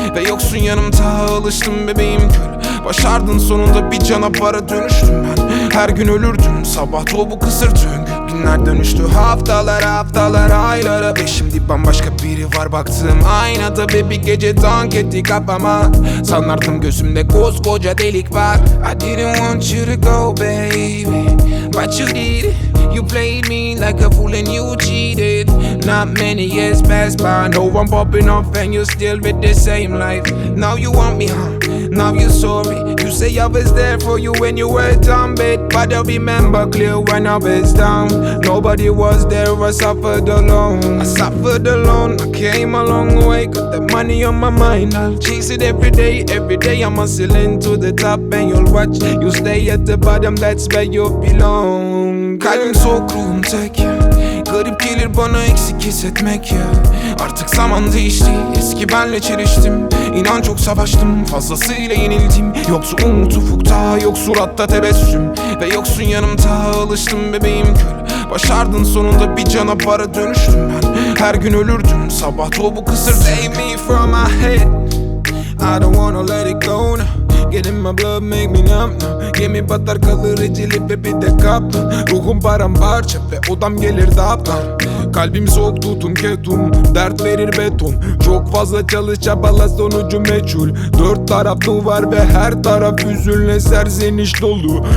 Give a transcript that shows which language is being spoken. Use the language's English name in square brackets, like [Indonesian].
[Turkish] Ve yoksun yanımda, alıştım bebeğim kül. Başardın sonunda, bir canavara dönüştüm ben. Her gün ölürdüm, sabah doğu bu kısır döngü. Günler dönüştü haftalara, haftalara, aylara. Ve şimdi bambaşka biri var baktığım aynada. Ve bir gece dank etti kafama. Sanardım gözümde koskoca delik var. [English] I didn't want you to go baby, but you did. You played me like a fool and you cheated. Not many years passed by, no one popping off and you're still with the same life. Now you want me, huh? Now you saw me. You say I was there for you when you were dumb, bit. But I remember clear when I was down. Nobody was there, I suffered alone. I suffered alone, I came a long way. Got that money on my mind, I'll chase it every day I'm hustling to the top and you'll watch. You stay at the bottom, that's where you belong. [Turkish] Kalbim soğuk, ruhum tek. Garip gelir bana eksik hissetmek ya. Artık zaman değişti, eski benle çeliştim. İnan çok savaştım, fazlasıyla yenildim. Yoksa umut ufukta, yok suratta tebessüm. Ve yoksun yanımda, alıştım bebeğim kül. Başardın sonunda, bir canavara dönüştüm ben. Her gün ölürdüm, sabah doğu bu kısır. [English] Save me from my head, I don't wanna let it go now. Get in my blood, make me numb now. [Turkish] Gemi batar kalır icili ve bir de kaptan. Ruhum paramparça ve odam gelir daptan. Kalbim soğuk, tutum ketum, dert verir beton. Çok fazla çalış çabala, sonucu meçhul. Dört taraf duvar ve her taraf hüzünle serzeniş dolu.